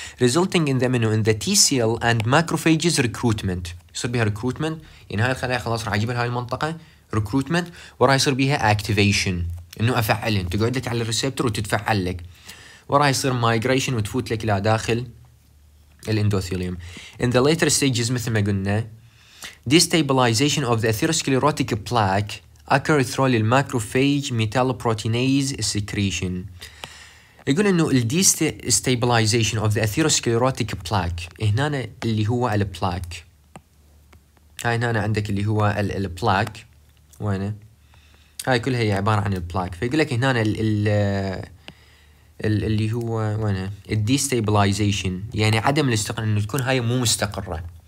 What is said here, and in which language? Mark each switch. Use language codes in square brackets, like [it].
[en] resulting in the mono in the T cell and macrophages recruitment, [ar] يصير بيها ريكروتمنت، يعني هاي الخلايا خلاص راح اجيبها هاي المنطقه ريكروتمنت، وراها يصير بيها اكتيفيشن انه افعلها، تقعد لك على الريسبتور وتتفعل لك، وراها يصير مايجريشن وتفوت لك الى داخل الاندوثيليوم. [en] In the later stages [ar] مثل ما قلنا [en] destabilization of the atherosclerotic plaque occurs through the macrophage metalloproteinase secretion. [ar] يقول انه ال [en] destabilization of the atherosclerotic plaque، [ar] هنا اللي هو ال plaque، هاي هنا عندك اللي هو ال plaque، وينه هاي كلها هي عبارة عن ال plaque، فيقول لك هنا ال اللي هو وينه الديستابلايزيشن، يعني عدم الاستقرار، انه تكون هاي مو مستقره،